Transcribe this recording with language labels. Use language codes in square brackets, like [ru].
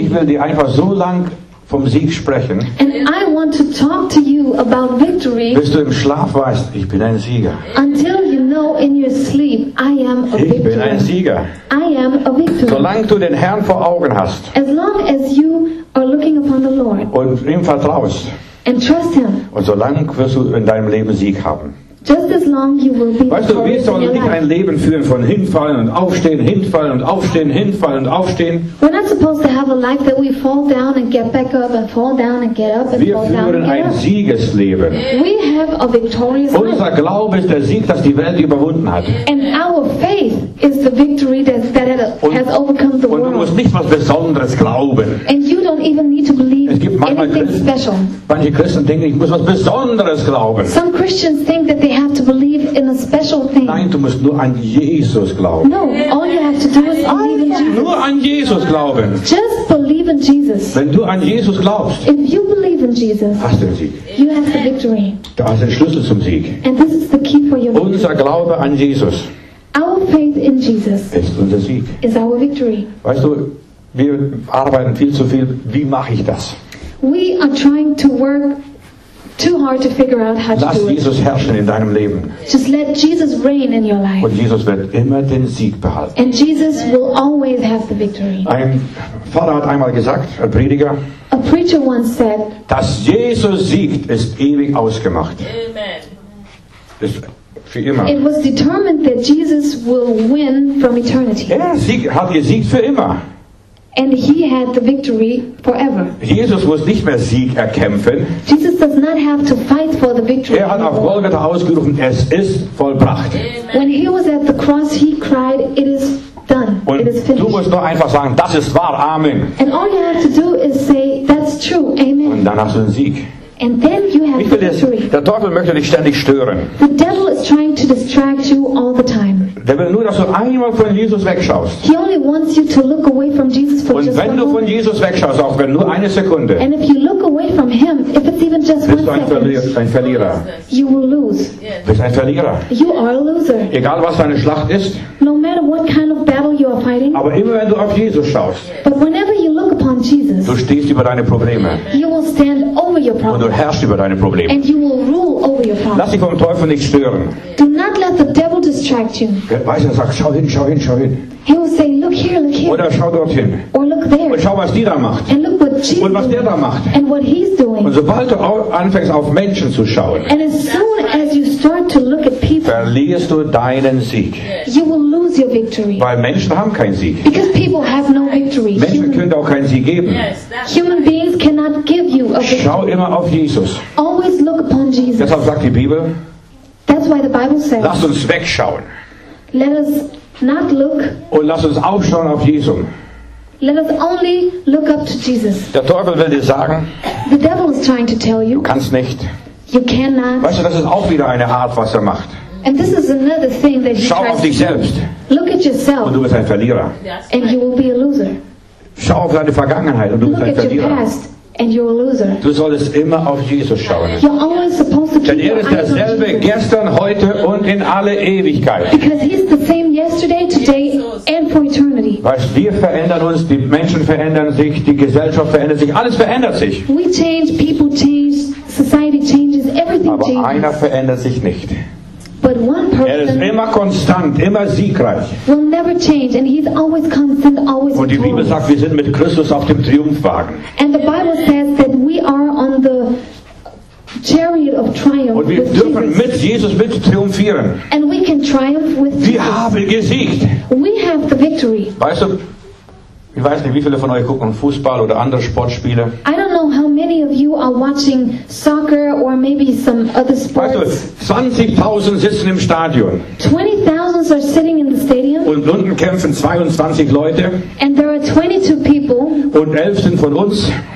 [de] Ich will dir einfach so lang vom Sieg sprechen. [en] And I want to talk to you about victory. [de] Bis du im Schlaf weißt, ich bin ein Sieger. [en] Until you know in your sleep, I am a victor. [de] Ich bin ein Sieger. [en] I am a victor. [de] Solange du den Herrn vor Augen hast. [en] As long as you are looking upon the Lord. [de] Und ihm vertraust. [en] And trust him. [de] Und solange wirst du in deinem Leben Sieg haben. [en] Just as long you will be. [de] Weißt du, wir sollen nicht ein Leben führen von hinfallen und aufstehen, hinfallen und aufstehen, hinfallen und aufstehen. [en] We're not supposed to have a life that we fall down and get back up and fall down and get up and [de] wir [en] fall down. [de] Wir führen ein Siegesleben. [en] We have a victorious life. [de] Unser Glaube ist der Sieg, dass die Welt überwunden hat. [en] And our faith is the victory that has overcome the world. [de] Und du musst nicht was Besonderes glauben. [en] And you don't even need to believe anything special. [de] Manche Christen denken, ich muss was Besonderes glauben. [en] Some Christians think that they have to believe in a special thing. [de] Nein, du musst nur an Jesus glauben. [en] No, all you have to do is believe in Jesus. [de] Nur an Jesus glauben. [en] Just believe in Jesus. [de] Wenn du an Jesus glaubst, [en] if you believe in Jesus, [de] hast du den Sieg. [en] You have the victory. [de] Da ist der Schlüssel zum Sieg. [en] And this is the key for your victory. [de] Unser Glaube an Jesus. [en] Our faith in Jesus [de] ist unser Sieg. [en] Is our victory. [de] Weißt du, wir arbeiten viel zu viel. Wie mache ich das? [en] We are trying to work too hard to figure out how to do it. [de] Lass Jesus herrschen in deinem Leben. [en] Just let Jesus reign in your life. [de] Und Jesus wird immer den Sieg behalten. [en] And Jesus will always have the victory. [de] Ein Pfarrer hat einmal gesagt, ein Prediger. [en] A preacher once said. [de] Dass Jesus siegt, ist ewig ausgemacht. Amen. Ist für immer. [en] It was determined that Jesus will win from eternity. [de] Er hat gesiegt für immer. [en] And he had the victory forever. [de] Jesus muss nicht mehr Sieg erkämpfen. [en] Jesus does not have to fight for the victory. [de] Er hat auf Golgatha ausgerufen, es ist vollbracht. Amen. [en] When he was at the cross, he cried, it is done. [de] Und [en] it is finished. [de] Du musst nur einfach sagen, das ist wahr. Amen. [en] And all you have to do is say, that's true. Amen. [de] Und dann hast du den Sieg. [en] And then you have the victory. [de] Der Teufel möchte dich ständig stören. [en] The devil is trying to distract you all the time. [de] Der will nur, dass du einmal von Jesus wegschaust. [en] He only wants you to look away from Jesus for [de] und [en] just [de] wenn du von Jesus wegschaust, auch wenn nur eine Sekunde, [en] and if you look away from him, if it's even just [de] bist [en] one second, [de] ein Verlierer. [en] You will lose. [de] Bist ein Verlierer. [en] You are a loser. [de] Egal was deine Schlacht ist, [en] no matter what kind of battle you are fighting, [de] aber immer wenn du auf Jesus schaust, [en] but whenever you look upon Jesus, [de] du stehst über deine Probleme. [en] You will stand over your problems. [de] Und du herrschst über deine Probleme. [en] And you will rule over your problems. [de] Lass dich vom Teufel nicht stören. [en] Do not let the devil distract you. [de] Er weiß, er sagt, schau hin, schau hin, schau hin. [en] He will say, look here, look here. [de] Oder schau dorthin. [en] Or look there. [de] Und schau, was die da macht. [en] And look what Jesus [de] und was der da macht. [en] And what he's doing. [de] Und sobald du anfängst, auf Menschen zu schauen, [en] and as soon as you start to look at people, [de] verlierst du deinen Sieg. [en] You will lose your victory. [de] Weil Menschen haben keinen Sieg. [en] Because people have no victory. [de] Menschen können auch keinen Sieg geben. [en] Yes, human beings cannot give you a victory. [de] Schau immer auf Jesus. [en] Always look upon Jesus. [de] Deshalb sagt die Bibel, [en] that's why the Bible says, [de] lass uns wegschauen. [en] Let us not look. [de] Und lass uns aufschauen auf Jesus. [en] Let us only look up to Jesus. [de] Der Teufel will dir sagen, [en] the devil is trying to tell you, [de] du kannst nicht. [en] You cannot. [de] Weißt du, das ist auch wieder eine Art, was er macht. [en] And this is another thing that he [de] schau [en] tries [de] auf dich [en] to [de] selbst. [en] Look at yourself. [de] Und du bist ein Verlierer. [en] Yes. And you will be a loser. [de] Schau auf deine Vergangenheit und du [en] look [de] bist ein Verlierer. [en] Look at your past and you're a loser. [de] Du solltest immer auf Jesus schauen. [en] You're always supposed to keep [de] denn er ist derselbe gestern, heute und in alle Ewigkeit. [en] Because he's the same yesterday, today and for eternity. [de] Weißt, wir verändern uns, die Menschen verändern sich, die Gesellschaft verändert sich, alles verändert sich. [en] We change, people change, society changes, everything [de] aber [en] changes. [de] Einer verändert sich nicht. [en] But one person [de] ist immer konstant, immer siegreich. [en] Will never change, and he's always constant, always [de] und die Bibel [en] victorious. [de] Sagt, wir sind mit Christus auf dem Triumphwagen. [en] And the Bible says that we are on the chariot of triumph. [de] Und wir dürfen [en] Jesus. [de] Mit Jesus mit triumphieren. [en] And we can triumph with [de] wir [en] Jesus. [de] Haben gesiegt. [en] We have the victory. [de] Weißt du, ich weiß nicht, wie viele von euch gucken Fußball oder andere Sportspiele. [en] I don't know how many of you are watching soccer or maybe some other sports. [de] Weißt du, 20.000 sitzen im Stadion. [en] 20.000 are sitting in the stadium. [de] Und unten kämpfen 22 Leute. [en] And there are 22 people. [de] Und 11 sind von uns.